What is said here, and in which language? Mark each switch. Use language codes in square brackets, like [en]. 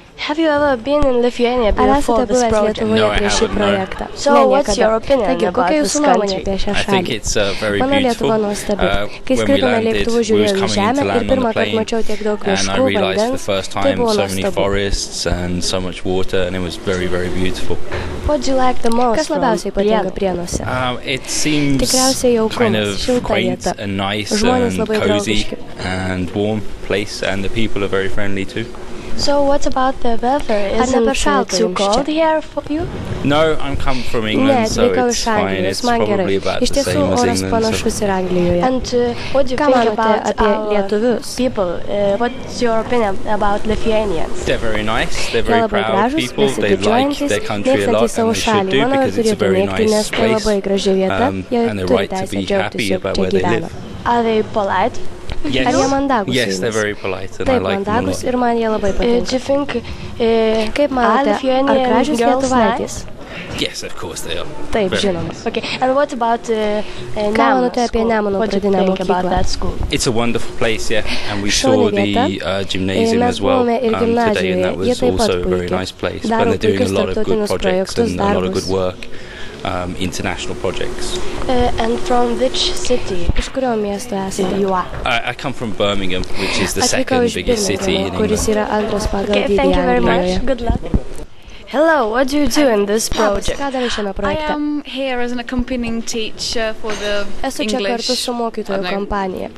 [en] Have you ever been in Lithuania before this project? No, I haven't. So, what's your opinion about this country? [lt] kokia jūsų nuomonė apie šią šalį? Mano Lietuva nuostabi. Kai skridome lėktuvu, žiūrėjau į žemę ir pirmą kartą mačiau tiek daug miškų, vandens, tai buvo nuostabi. [en] What do you like the most? [lt] Kas labiausiai patinka Prienuose? [en] It seems [lt] tikriausiai jaukumas, šilta vieta. Žmonės labai draugiški. [en] And warm place, and the people are very friendly too. So what about the weather? Isn't it too cold here for you? No, I'm come from England, so it's fine. It's probably about the same as England. And what do you think about our people? What's your opinion about Lithuanians? They're very nice. They're very proud people. They like their country a lot, and they should do, because it's a very nice place. And they're right to be happy about where they live. Are they polite? Yes. [lt] Ar jie mandagus? [en] Yes, they're very polite, and [lt] taip, [en] I like [lt] mandagus [en] them [lt] ir man jie labai patinka. [en] Do you think, [lt] kaip manote, ar gražius lietuvaitės? [en] Yes, of course they are. [lt] Taip, žinoma. Okay. [en] And what about [lt] ką manote apie Nemuno pradinę mokyklą? [en] It's a wonderful place, yeah. And we saw the gymnasium as well today, and that was also a very nice place. [lt] Daro [en] and they're doing a lot of good projects and [lt] darbus. [en] A lot of good work. International projects. And from which city? [lt] Iš kurio miesto esate? [en] I come from Birmingham, which is the second biggest city in England. [lt] Kuris yra antras pagal dydį. [en] Okay, thank you very much. Good luck. Hello, what do you do in this project? [lt] Ką darai šiame projekte? [en] I am here as an accompanying teacher for the [lt] esu čia kartu su mokytojų kompanija.